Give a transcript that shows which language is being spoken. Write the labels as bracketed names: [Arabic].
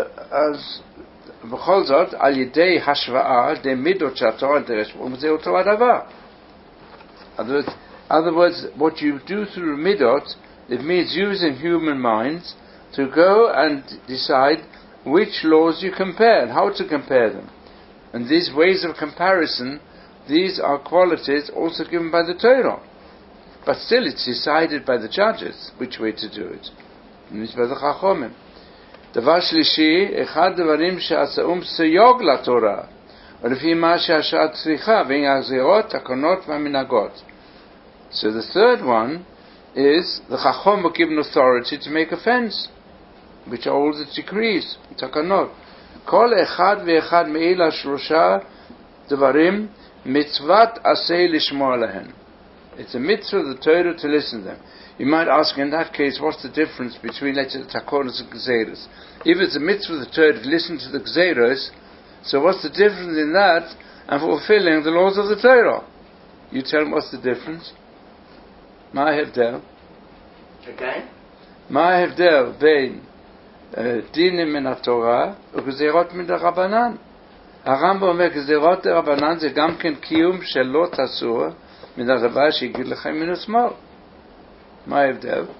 [Hebrew] אז בכל זאת, על ידי השוואה, די מידות שהתורה נדרש, זה אותו הדבר. [English] In other words, what you do through midot, it means using human minds to go and decide which laws you compare and how to compare them. And these ways of comparison, these are qualities also given by the Torah. But still it's decided by the judges which way to do it. And it's by the Chachomim. [Hebrew] דבר שלישי, אחד הדברים שעשאום סיוג לתורה, ולפי מה שהשעה צריכה, ואין הזירות, הקונות והמנהגות. [English] So the third one is the Chachom will give an authority to make offense, which are all the decrees, תקנות. [Hebrew] כל אחד ואחד מאלה שלושה דברים מצוות עשה לשמוע להן. [English] It's a mitzvah of the Torah to listen to them. You might ask in that case, what's the difference between תקנות and גזירות? If it's a mitzvah of the Torah to listen to the גזירות, so what's the difference in that and fulfilling the laws of the Torah? You tell them what's the difference. [Hebrew] מה ההבדל? [English] Okay. [Hebrew] מה ההבדל בין דינים מן התורה וגזירות מן הרבנן? הרמב"ם אומר גזירות הרבנן זה גם כן קיום של לא תעשו מן הדבר שיגיד לכם מן השמאל. מה ההבדל?